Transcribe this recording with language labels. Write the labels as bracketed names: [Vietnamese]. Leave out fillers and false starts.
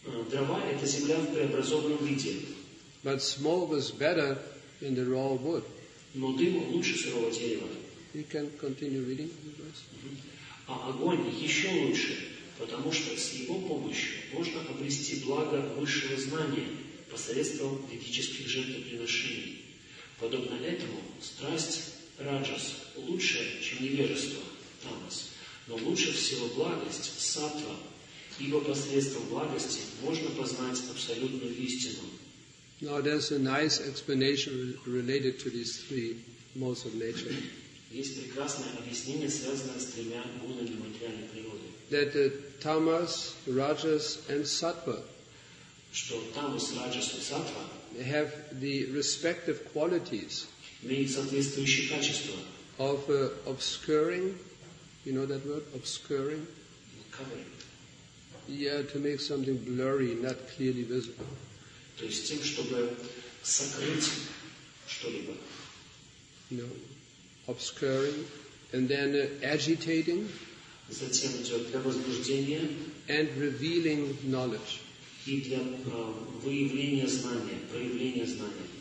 [Russian] Дрова – это земля в преобразованном виде. [English] But smoke is better in the raw wood. [Russian] Но дым лучше сырого дерева. [English] You can continue reading. [Russian] А огонь еще лучше, потому что с его помощью можно обрести благо высшего знания посредством ведических жертвоприношений. Подобно этому, страсть раджас лучше, чем невежество тамас, но лучше всего благость саттва. Ибо посредством благости можно познать абсолютную истину. [English] Now there's a nice explanation related to these three modes of nature. [Russian] Есть прекрасное объяснение, связанное с тремя гунами материальной природы. [English] That the tamas, rajas, and sattva. [Russian] Что тамас, раджас и саттва. [English] They have the respective qualities. [Russian] Имеют соответствующие качества. [English] Of obscuring, you know that word, obscuring. Covering. Yeah, to make something blurry, not clearly visible. [Russian] То есть тем, чтобы сокрыть что-либо. [English] No, obscuring, and then agitating. [Russian] Затем идет для возбуждения. [English] And revealing knowledge. [Russian] И для выявления знания, проявления знания.